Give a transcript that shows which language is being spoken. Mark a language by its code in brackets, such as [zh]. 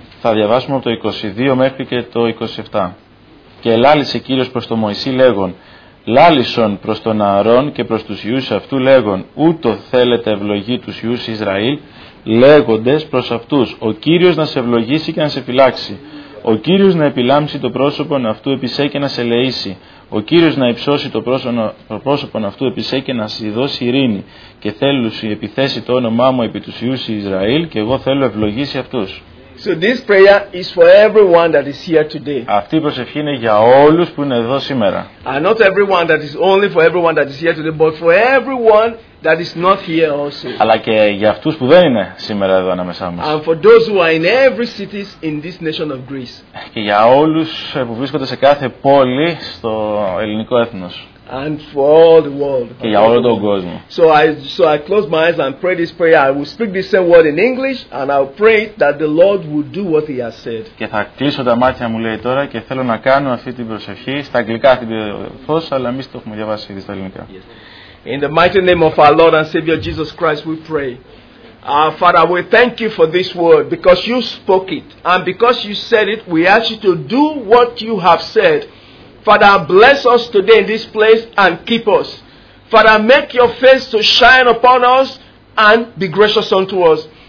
[el] Θα διαβάσουμε από το 22 μέχρι και το 27. Και λάλησε Κύριος προς το Μωυσή λέγον, λάλησον προς τον Ααρών και προς τους γιους αυτού λέγον, ούτω θέλετε ευλογή τους γιους Ισραήλ, λέγοντες προς αυτούς, ο Κύριος να σε ευλογήσει και να σε φυλάξει, ο Κύριος να επιλάμψει το πρόσωπον αυτού επί σε και να σε λεήσει, ο Κύριος να υψώσει το πρόσωπον αυτού επί σε και να σε δώσει ειρήνη, και θέλουσι επιθέσει το όνομά μου επί τους γιους Ισραήλ, και εγώ θέλω ευλογήσει αυτούς. [en] So this prayer is for everyone that is here today. [el] Αυτή η προσευχή είναι για όλους που είναι εδώ σήμερα. [en] And not everyone that is only for everyone that is here today, but for everyone that is not here also. [el] Αλλά και για αυτούς που δεν είναι σήμερα εδώ ανάμεσά μας. [en] And for those who are in every cities in this nation of Greece. [el] Και για όλους που βρίσκονται σε κάθε πόλη στο ελληνικό έθνος. [en] And for all the world. [el] Και για όλο τον κόσμο. [en] So I close my eyes and pray this prayer. I will speak this same word in English and I'll pray that the Lord will do what he has said. [el] Και θα κλείσω τα μάτια μου, λέει τώρα, και θέλω να κάνω αυτή την προσευχή στα αγγλικά την φως, αλλά εμείς το έχουμε διαβάσει ήδη στα ελληνικά. [en] In the mighty name of our Lord and Savior Jesus Christ we pray. Our Father, we thank you for this word because you spoke it. And because you said it, we ask you to do what you have said. Father, bless us today in this place and keep us. Father, make your face to shine upon us and be gracious unto us.